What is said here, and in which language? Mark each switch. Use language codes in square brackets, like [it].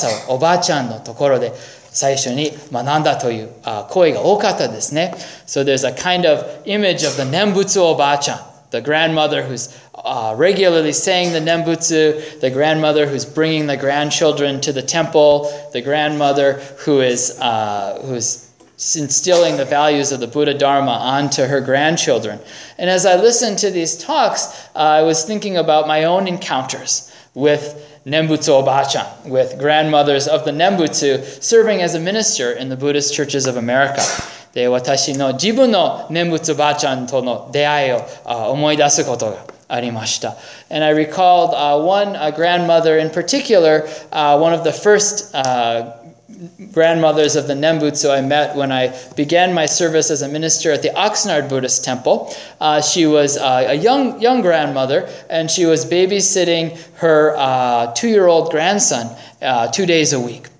[ja] そして、おばあちゃんの話がよくあったんですね。おばあちゃんからお念仏を聞いて、お念仏のありがたさをおばあちゃんのところで 最初に学んだという声が多かったですね。So [en] there's a kind of image of the Nembutsu Obachan, the grandmother who's regularly saying the Nembutsu, the grandmother who's bringing the grandchildren to the temple, the grandmother who is who's instilling the values of the Buddha Dharma onto her grandchildren. And as I listened to these talks, I was thinking about my own encounters with Nembutsu Obachan, with grandmothers of the Nembutsu serving as a minister in the Buddhist churches of America. [ja] で、 私の自分の念仏おばあちゃんとの出会いを思い出すことがありました。 [en] And I recalled one grandmother in particular, one of the first grandmothers of the Nembutsu I met when I began my service as a minister at the Oxnard Buddhist Temple. She was a young grandmother, and she was babysitting her 2-year-old grandson 2 days a week.